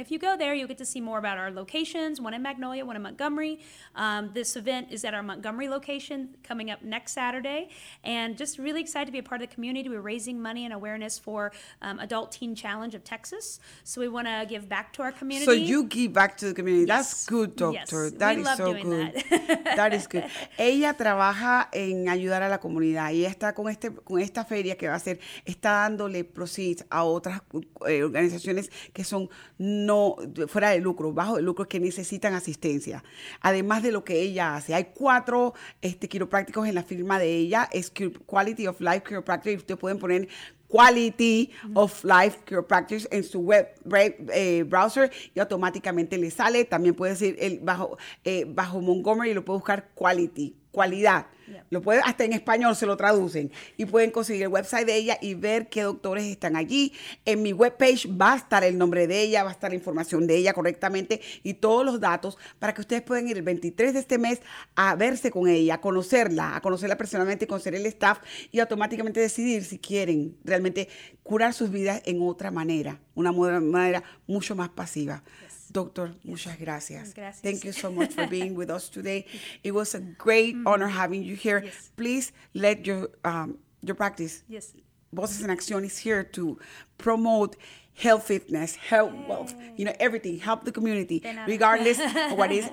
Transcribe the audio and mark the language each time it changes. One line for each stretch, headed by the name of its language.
English: And if you go there, you'll get to see more about our locations, one in Magnolia, one in Montgomery. This event is at our Montgomery location coming up next Saturday, and just really excited to be a part of the community. We're raising money and awareness for Adult Teen Challenge of Texas, so we want to give back to our community. So you give back to the community. Yes. That's good, doctor. Yes. That we is love so doing good. That. That is good.
Spanish: Ella trabaja en ayudar a la comunidad y está con esta fe que va a hacer, está dándole proceeds a otras organizaciones que son no fuera de lucro, bajo de lucro, que necesitan asistencia. Además de lo que ella hace, hay 4 quiroprácticos en la firma de ella, es Quality of Life Chiropractic. Ustedes pueden poner Quality of Life Chiropractic en su web browser y automáticamente le sale. También puede decir bajo Montgomery y lo puede buscar Quality. Cualidad. Yep. Lo puede, hasta en español se lo traducen. Y pueden conseguir el website de ella y ver qué doctores están allí. En mi webpage va a estar el nombre de ella, va a estar la información de ella correctamente y todos los datos para que ustedes puedan ir el 23 de este mes a verse con ella, a conocerla personalmente, conocer el staff y automáticamente decidir si quieren realmente curar sus vidas en otra manera, una manera mucho más pasiva. Doctor, muchas gracias. Gracias.
English: Thank you so much for being with us today. It was a great honor having you here. Yes. Please let your practice. Yes. Voces en Acción is here to promote health, fitness, health, Yay. Wealth, you know, everything. Help the community, regardless of what is.